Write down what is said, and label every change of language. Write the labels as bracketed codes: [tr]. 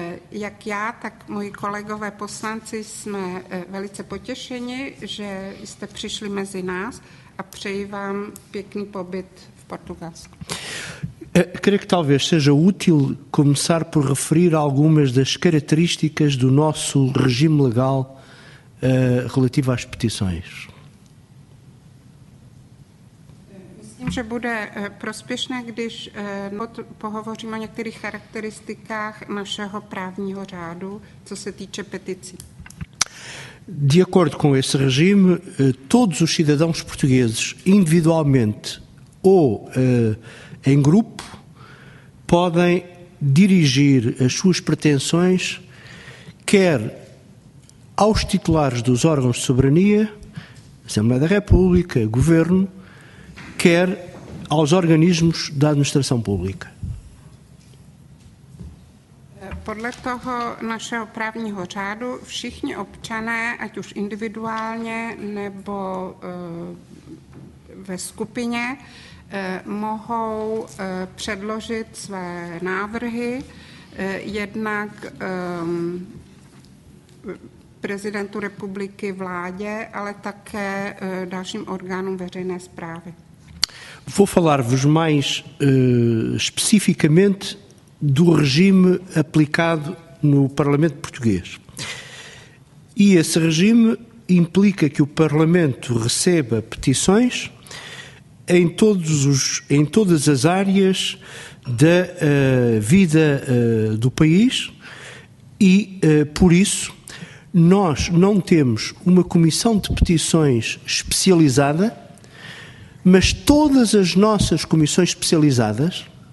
[cs] Jak já, tak moji kolegové poslanci jsme velice potěšeni, že jste přišli mezi nás a přeji vám pěkný pobyt v Portugalsku. [pt] Creio que talvez seja útil começar por referir algumas das características do nosso regime legal relativo às petições. [cs] Že bude prospěšné, když pohovoříme o některých charakteristikách našeho právního řádu, co se týče petici. [pt] De acordo com esse regime, todos os cidadãos portugueses, individualmente ou em grupo, podem dirigir as suas pretensões, quer aos titulares dos órgãos de soberania, Assembleia da República, Governo, quer aos organismos da administração pública. [cs] Podle toho našeho právního řádu všichni občané, ať už individuálně nebo ve skupině, mohou předložit své návrhy jednak prezidentu republiky, vládě, ale také dalším orgánům veřejné správy. [pt] Vou falar-vos mais especificamente do regime aplicado no Parlamento Português. E esse regime implica que o Parlamento receba petições em todas as áreas da vida do país e, por isso, nós não temos uma comissão de petições especializada, mas todas as nossas comissões especializadas,